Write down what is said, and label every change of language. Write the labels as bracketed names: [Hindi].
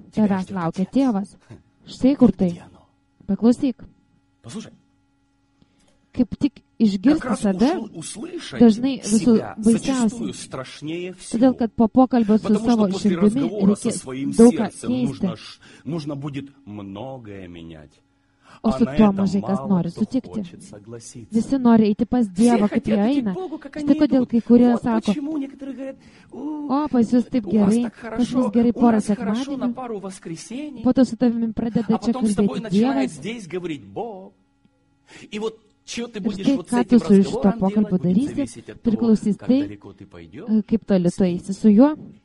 [Lithuanian] Tave laukia tėvas. Štai kur tai. Paklausyk. Kaip tik išgirsti save, dažnai visų baisiausia, todėl kad po pokalbio su savo širdimi reikia daug ką keisti. [Russian] Нужно будет многое менять. [Lithuanian] O su tuo mažai kas nori sutikti. Visi nori eiti pas Dievą, kaip jie eina. Štai kodėl kai kurie sako, o pas jūs taip gerai, pas jūs gerai porą sekmadienį, po to su tavimi pradeda čia kalbėti Dievas. Ir štai, ką tu su iš to pokalbio darysi, priklausys tai, kaip toli tu eisi su juo.